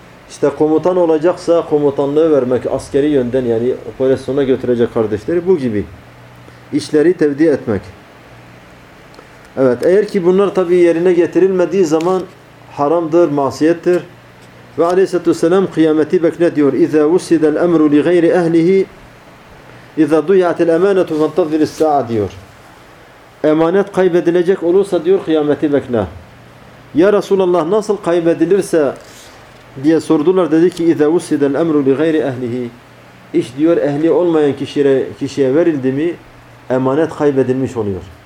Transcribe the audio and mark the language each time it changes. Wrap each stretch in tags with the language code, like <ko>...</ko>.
<tr>İşte komutan olacaksa komutanlığı vermek, askeri yönden yani operasyona götürecek kardeşleri bu gibi işleri tevdi etmek. Evet, eğer ki bunlar tabii yerine getirilmediği zaman haramdır, masiyettir. Ve aleyhissalatü vesselam kıyameti bekle diyor.</tr> <ar>اِذَا وُسِّدَ الْاَمْرُ لِغَيْرِ اَهْلِهِ اِذَا دُيَعَتِ الْاَمَانَةُ فَانْتَظِرِ السَّاعَ diyor.</ar> <tr>Emanet kaybedilecek olursa diyor kıyameti bekle. Ya Resulallah nasıl kaybedilirse diye sordular. Dedi ki</tr> <ar>اِذَا وُسِّدَ الْاَمْرُ لِغَيْرِ اَهْلِهِ</ar> <tr>İş diyor ehli olmayan kişiye verildi mi emanet kaybedilmiş oluyor.</tr>